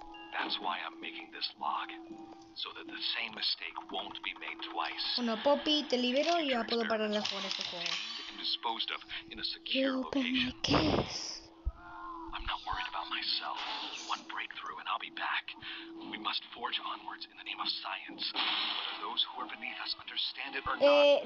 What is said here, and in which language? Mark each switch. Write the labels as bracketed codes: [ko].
[en] That's why I'm making this log, so that the same mistake won't be made twice. [es] Bueno, Poppy, te libero y ya puedo parar de jugar este juego. [en] Disposed of in a secure location. Open my case. I'm not worried about myself. One breakthrough and I'll be back. We must forge onwards in the name of science. Whether those who are beneath us understand it or not.